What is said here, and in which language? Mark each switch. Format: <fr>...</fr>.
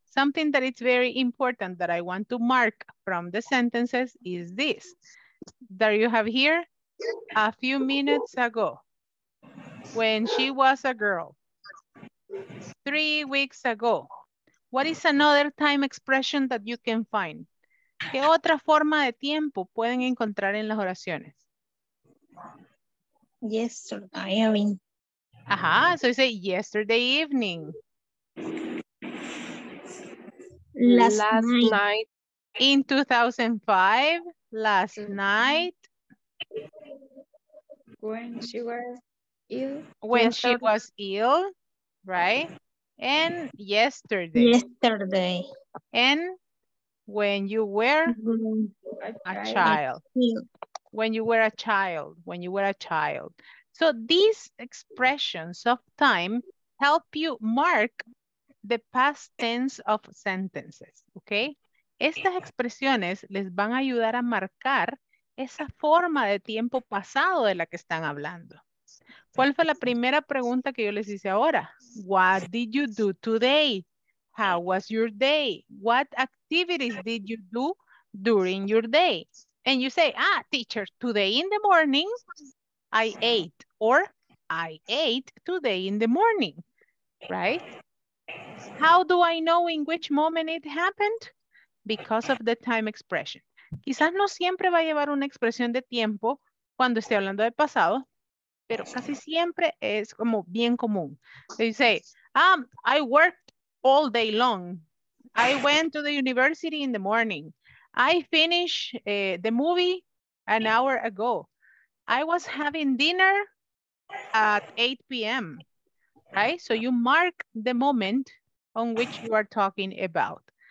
<en>Something that it's very important that I want to mark from the sentences is this. That you have here, a few minutes ago, when she was a girl, 3 weeks ago. What is another time expression that you can find?</en> <es>¿Qué otra forma de tiempo pueden encontrar en las oraciones?</es> <en>Yesterday evening. Ajá, so you say yesterday evening. Last night. In 2005, last night. When she was ill, right? And yesterday. Yesterday. And when you were a child. When you were a child. So these expressions of time help you mark the past tense of sentences, okay?</en> <es>Estas expresiones les van a ayudar a marcar esa forma de tiempo pasado de la que están hablando. ¿Cuál fue la primera pregunta que yo les hice ahora?</es> <en>What did you do today? How was your day? What activities did you do during your day? And you say, teacher, today in the morning, I ate. Or, I ate today in the morning, right? How do I know in which moment it happened? Because of the time expression.</en> <es>Quizás no siempre va a llevar una expresión de tiempo cuando esté hablando de pasado, pero casi siempre es como bien común.</es> <en>They say, I worked all day long. I went to the university in the morning. I finished the movie an hour ago. I was having dinner at 8 p.m. Right? So you mark the moment on which you are talking about.</en>